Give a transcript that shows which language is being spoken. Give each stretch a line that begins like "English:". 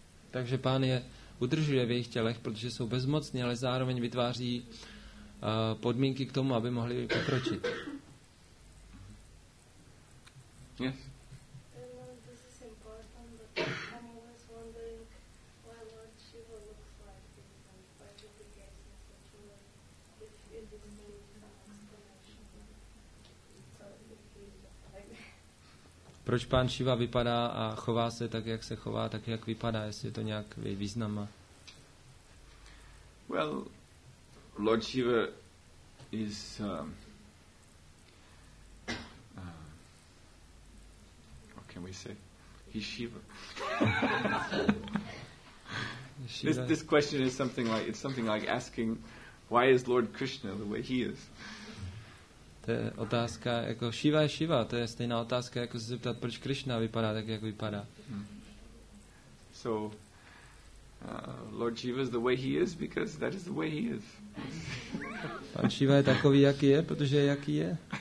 Czech: Takže Pán je udržuje v jejich tělech, protože jsou bezmocní, ale zároveň vytváří podmínky k tomu, aby mohli pokročit.
English: Yes. This is important, but I'm always wondering why Lord Shiva looks like this and why did he get such a look if he didn't make an explanation.
Czech: Proč Pán Shiva vypadá a chová se tak, jak se chová, tak jak vypadá, jestli je to nějak význam má?
English: Well, Lord Shiva is can we say he's Shiva? this question is something like, it's something like asking why is Lord Krishna the way he is.
Czech: To je otázka jako Shiva je Shiva, to je stejná otázka jako se zeptat proč Krishna vypadá tak jak vypadá.
English: So Lord Shiva is the way he is because that is the way he is.
Czech: Pan Shiva je takový jaký je, protože jaký je.